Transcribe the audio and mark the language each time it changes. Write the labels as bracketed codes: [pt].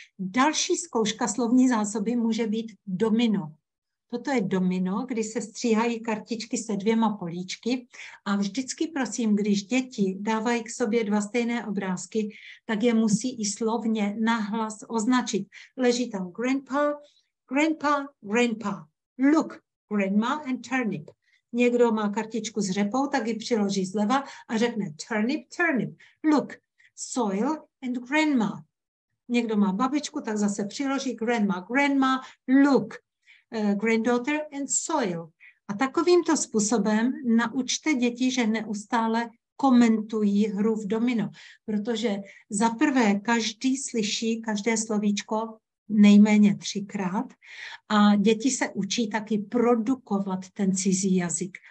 [cs] Další zkouška slovní zásoby může být domino. Toto je domino, kdy se stříhají kartičky se 2 políčky a vždycky prosím, když děti dávají k sobě 2 stejné obrázky, tak je musí i slovně nahlas označit. Leží tam [en] grandpa, grandpa, grandpa. Look, grandma and turnip. [cs] Někdo má kartičku s řepou, tak ji přiloží zleva a řekne turnip, turnip. [en] Look, soil and grandma. [cs] Někdo má babičku, tak zase přiloží [en] grandma, grandma, look. Granddaughter and soil. [cs] A takovýmto způsobem naučte děti, že neustále komentují hru v domino, protože za prvé každý slyší každé slovíčko nejméně 3krát a děti se učí taky produkovat ten cizí jazyk.